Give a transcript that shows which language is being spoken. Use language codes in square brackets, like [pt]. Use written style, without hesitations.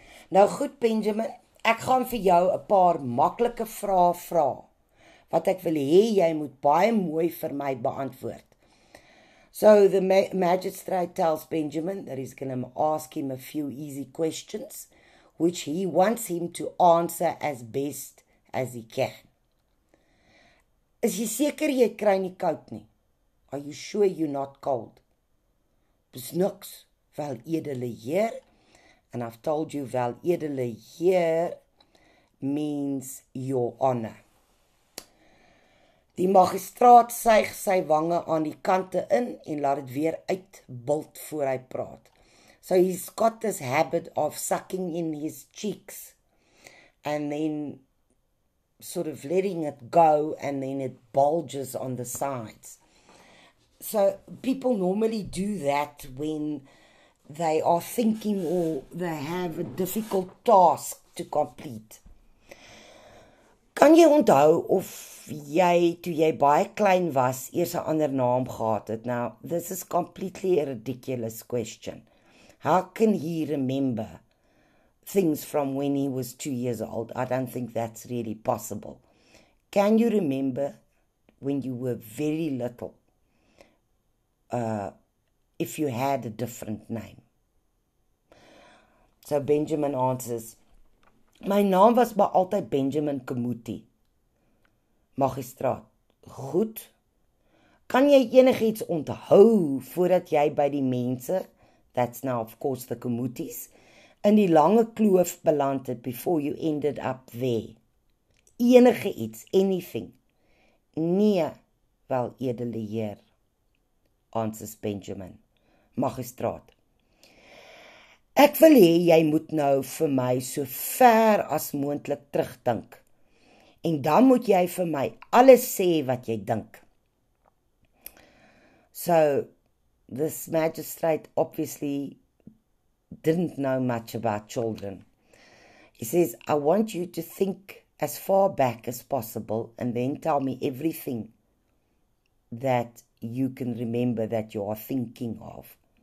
[af] Nou goed, Benjamin, ek gaan vir jou 'n paar maklike vrae vra. wat ek wil hê jy moet baie mooi vir my beantwoord. [en] So the magistrate tells Benjamin that he's going to ask him a few easy questions, which he wants him to answer as best as he can. [af] Is jy seker jy kry nie koud nie? [en] Are you sure you're not cold? [af] Besnuks, wel edele heer. [en] And I've told you, wel edele heer means your honor. [af] Die magistraat suig sy wange aan die kante in en laat het weer uitbult voor hy praat. [en] So he's got this habit of sucking in his cheeks and then sort of letting it go and then it bulges on the sides. So people normally do that when they are thinking or they have a difficult task to complete. [af] Kan jy onthou of jy, toe jy baie klein was, eers 'n ander naam gehad het? [en] Now, this is completely a ridiculous question. How can he remember things from when he was 2 years old? I don't think that's really possible. Can you remember when you were very little, if you had a different name? So Benjamin answers, [af] my naam was maar altyd Benjamin Kamuti. Magistraat, goed. Kan jy enigiets onthou voordat jy by die mense, [en] that's now of course the Kamutis, [af] in die lange kloof beland het [en] before you ended up there? [af] Enige iets, anything. Nee, wel edele heer, [en] answers Benjamin. [af] Magistraat, ek wil hê jy moet nou vir my so ver as moontlik terugdink. En dan moet jy vir my alles sê wat jy dink. [en] So, this magistrate obviously didn't know much about children. He says, I want you to think as far back as possible and then tell me everything that you can remember that you are thinking of.